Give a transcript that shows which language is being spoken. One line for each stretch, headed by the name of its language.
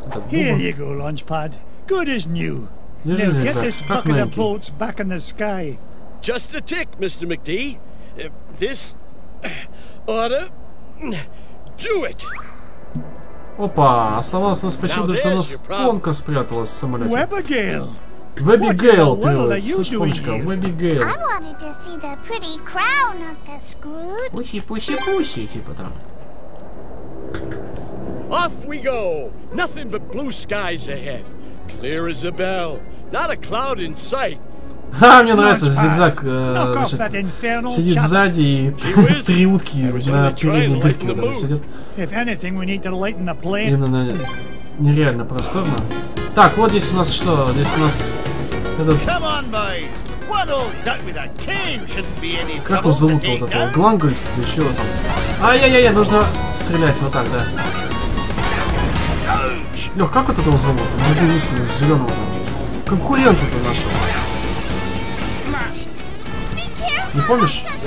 English: Here you go, launch pad. Good as new.
Russian: Держи зигзаг, как новенький.
English: Just a tick, Mr. McD. This order. Do it.
Russian: Опа, оставалось у нас почему-то, что у нас шпонка спряталась в самолете.
English: Webigail.
Russian: Webigail, привет, Webigail.
English: I wanted to see the pretty crown of the Scrooge.
Russian: Пуси, типа там.
English: Off we go. Nothing but blue skies ahead. Clear as a bell. Not a cloud in sight.
Russian: Ха, мне нравится, зигзаг значит, сидит сзади и три утки на передней дырке сидят.
English: If anything, we need to lighten the plane.
Russian: Именно нереально просторно. Так, вот здесь у нас что? Здесь у нас этот...
English: Come on, boys! One old duck with a cane shouldn't be any trouble.
Russian: Как его зовут-то вот этого? Глангольд? Или чего там? Ай-яй-яй-яй, нужно стрелять вот так, да. Лёх, как вот этого зовут? Другую утку, зелёного там. Конкурента-то нашего. Не помнишь?